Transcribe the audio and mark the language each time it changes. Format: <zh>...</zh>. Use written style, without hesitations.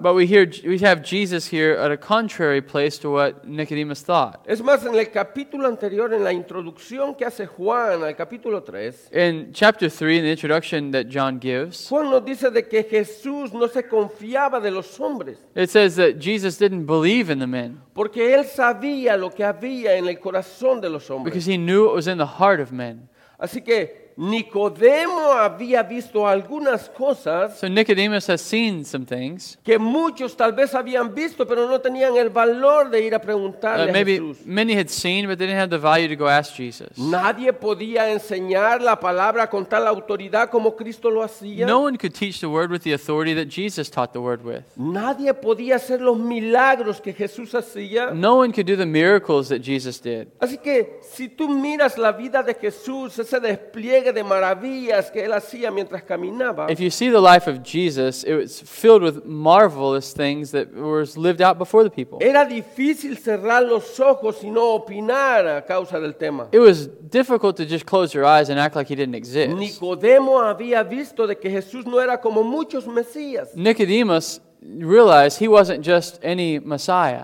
<en>But we have Jesus here at a contrary place to what Nicodemus thought.</en> <es>Es más, en el capítulo anterior, en la introducción que hace Juan al capítulo 3.</es> <en>In chapter 3, in the introduction that John gives,</en> <es>Juan nos dice de que Jesús no se confiaba de los hombres.</es> <en>It says that Jesus didn't believe in the men.</en> <es>Porque él sabía lo que había en el corazón de los hombres.</es> <en>Because he knew what was in the heart of men.</en> <es>Así que Nicodemo había visto algunas cosas.</es> <en>So Nicodemus has seen some things</en> <es>que muchos tal vez habían visto, pero no tenían el valor de ir a preguntarle a Jesús.</es> <en>Many had seen, but they didn't have the value to go ask Jesus.</en> <es>Nadie podía enseñar la palabra con tal autoridad como Cristo lo hacía.</es> <en>No one could teach the word with the authority that Jesus taught the word with.</en> <es>Nadie podía hacer los milagros que Jesús hacía.</es> <en>No one could do the miracles that Jesus did.</en> <es>Así que si tú miras la vida de Jesús, ese despliegue de maravillas que él hacía mientras caminaba.</es> <en>If you see the life of Jesus, it was filled with marvelous things that were lived out before the people.</en> <es>Era difícil cerrar los ojos y no opinar a causa del tema.</es> <en>It was difficult to just close your eyes and act like he didn't exist.</en> <es>Nicodemo había visto de que Jesús no era como muchos mesías.</es> <en>Nicodemus realized he wasn't just any Messiah.</en>